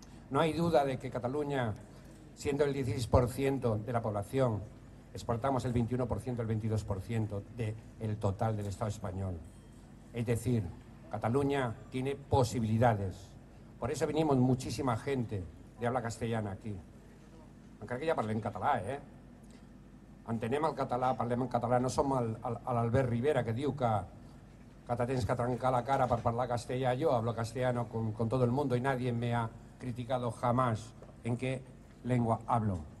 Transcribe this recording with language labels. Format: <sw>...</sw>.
<es>No hay duda de que Cataluña, siendo el 16% de la población, exportamos el 21%, el 22% del total del Estado español. Es decir, Cataluña tiene posibilidades. Por eso venimos muchísima gente de habla castellana aquí.</es> <ca>Aunque aquí ya parlen en catalán,</ca> <es>¿eh?</es> <ca>Entenem el català, parlem en català, no som l'Albert Rivera que diu que t'has de trencar la cara per parlar castellà.</ca> <es>Jo hablo castellano con todo el mundo y nadie me ha criticado jamás en qué lengua hablo.</es>